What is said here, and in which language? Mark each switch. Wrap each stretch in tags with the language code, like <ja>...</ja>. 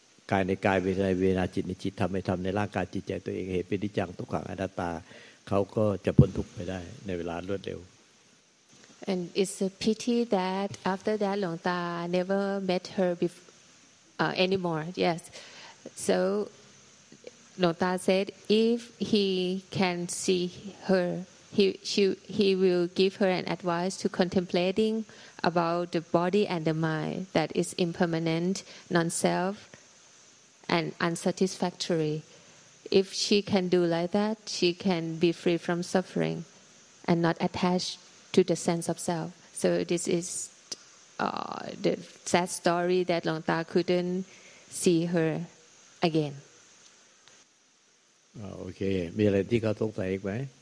<th>กายในกายเวทนาเวทนาจิตในจิตทำให้ทำในร่างกายจิตใจตัวเองเห็นเป็นนิจจังทุกขังอนัตตาเขาก็จะพ้นทุกข์ไปได้ในเวลารวดเร็ว</th> <en>And it's a pity that after that, Longta never met her anymore. Yes, so Longta said if he can see her, he will give her an advice to contemplating about the body and the mind that is impermanent, non-self, and unsatisfactory. If she can do like that, she can be free from suffering and not attached. To the sense of self, so this is the sad story that Longta couldn't see her again.</en> <th>Okay, มีอะไรที่เขาสงสัยอีกไหม</th>